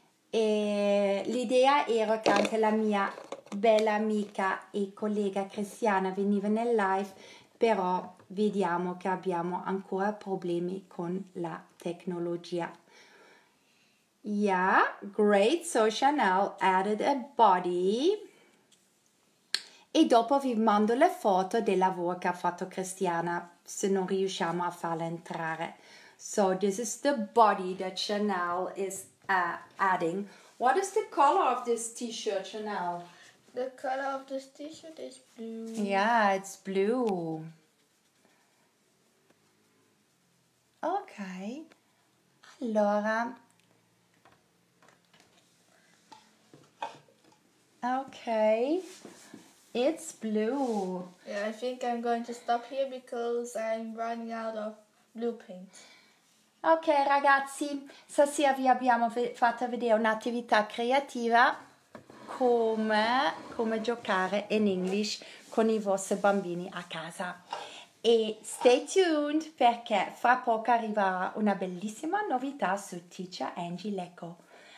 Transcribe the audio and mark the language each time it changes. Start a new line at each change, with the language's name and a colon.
Italian: E l'idea era che anche la mia bella amica e collega Christiana veniva nel live, però vediamo che abbiamo ancora problemi con la tecnologia.
English: Yeah, great. So Chanel added a body.
Italian: E dopo vi mando le foto del lavoro che ha fatto Christiana, se non riusciamo a farla entrare.
English: So this is the body that Chanel is adding. What is the color of this t-shirt, Chanel? The color of this t-shirt is blue. Yeah, it's blue. Ok, allora, ok, it's blue. Yeah, I think I'm going to stop here because I'm running out of blue paint.
Italian: Ok ragazzi, stasera vi abbiamo fatto vedere un'attività creativa come giocare in English con i vostri bambini a casa. E
English: stay tuned
Italian: perché fra poco arriverà una bellissima novità su Teacher Angie Lecco.